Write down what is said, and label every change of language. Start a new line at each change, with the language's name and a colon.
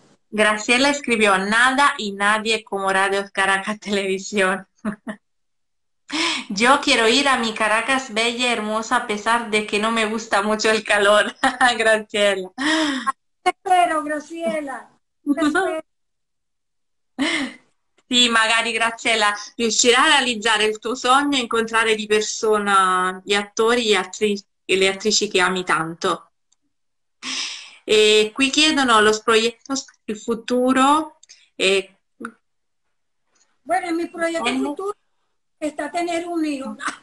Spanish: Graciela escribió, nada y nadie como Radio Caracas Televisión. Yo quiero ir a mi Caracas bella y hermosa a pesar de que no me gusta mucho el calor, Graciela. Te espero, Graciela. Te espero.
Italian: Sì, magari Graziella riuscirà a realizzare il tuo sogno e incontrare di persona gli attori e le attrici che ami tanto. E qui chiedono
Spanish: los proyectos,
Italian: il futuro.
Spanish: Bueno, mi proyecto futuro está tener un hijo.